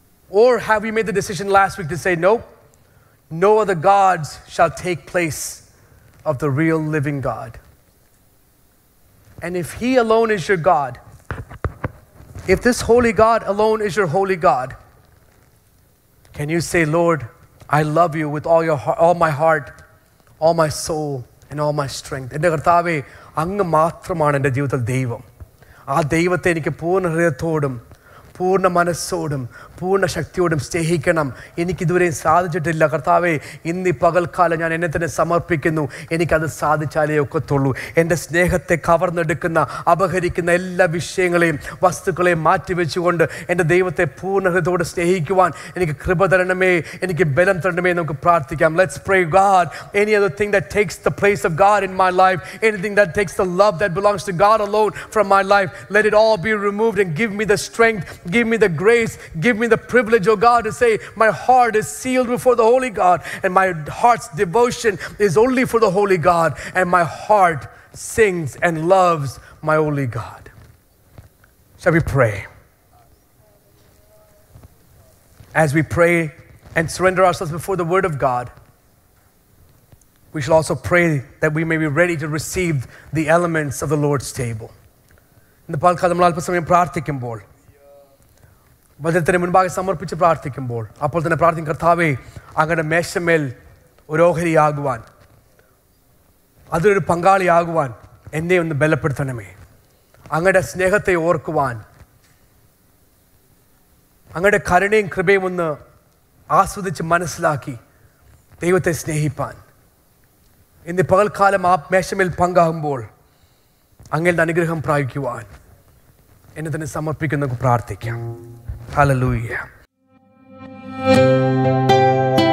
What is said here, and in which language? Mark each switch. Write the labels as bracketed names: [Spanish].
[English] Or have we made the decision last week to say, nope, no other gods shall take place of the real living God. And if He alone is your God, if this holy God alone is your holy God, can you say, Lord, I love you with all my heart, all my soul, and all my strength. [Malayalam] എൻ്റെ കർത്താവേ, അങ്ങ് മാത്രമാണ് എൻ്റെ ജീവിതത്തിൽ ദൈവം. ആ ദൈവത്തെ എനിക്ക് പൂർണ്ണ ഹൃദയത്തോടും പൂർണ്ണ മനസ്സോടും പൂർണ്ണ ശക്തിയോടും സ്നേഹിക്കണം. എനിക്കിതുവരെയും സാധിച്ചിട്ടില്ല കർത്താവേ, ഇന്ന് ഈ പകൽക്കാലം ഞാൻ എന്നെ തന്നെ സമർപ്പിക്കുന്നു, എനിക്കത് സാധിച്ചാലേ ഒക്കത്തുള്ളൂ. എൻ്റെ സ്നേഹത്തെ കവർന്നെടുക്കുന്ന, അപഹരിക്കുന്ന എല്ലാ വിഷയങ്ങളെയും വസ്തുക്കളെയും മാറ്റിവെച്ചുകൊണ്ട് എൻ്റെ ദൈവത്തെ പൂർണ്ണഹൃദയോടെ സ്നേഹിക്കുവാൻ എനിക്ക് കൃപ തരണമേ, എനിക്ക് ബലം തരണമേ. നമുക്ക് പ്രാർത്ഥിക്കാം. [English] Let's pray. God, any other thing that takes the place of God in my life, anything that takes the love that belongs to God alone from my life, let it all be removed and give me the strength, give me the grace, give me the privilege, oh God, to say my heart is sealed before the holy God, and my heart's devotion is only for the holy God, and my heart sings and loves my holy God. Shall we pray? As we pray and surrender ourselves before the word of God, we shall also pray that we may be ready to receive the elements of the Lord's table. [Malayalam] ഇന്ന് പകൽക്കാലം നമ്മൾ അല്പസമയം പ്രാർത്ഥിക്കുമ്പോൾ, വചനത്തിന് മുൻപാകെ സമർപ്പിച്ച് പ്രാർത്ഥിക്കുമ്പോൾ, അപ്പോൾ തന്നെ പ്രാർത്ഥിക്കും, കർത്താവേ അങ്ങയുടെ മേശമേൽ ഒരു ഓഹരിയാകുവാൻ, അതിലൊരു പങ്കാളിയാകുവാൻ എന്നെ ഒന്ന് ബലപ്പെടുത്തണമേ. അങ്ങയുടെ സ്നേഹത്തെ ഓർക്കുവാൻ, അങ്ങയുടെ കരുണയും കൃപയും ഒന്ന് ആസ്വദിച്ച് മനസ്സിലാക്കി ദൈവത്തെ സ്നേഹിപ്പാൻ ഇന്ന് പകൽക്കാലം ആ മേശമേൽ പങ്കാകുമ്പോൾ അങ്ങയുടെ അനുഗ്രഹം പ്രാപിക്കുവാൻ എന്നെ തന്നെ സമർപ്പിക്കുന്നു പ്രാർത്ഥിക്കാം. Hallelujah.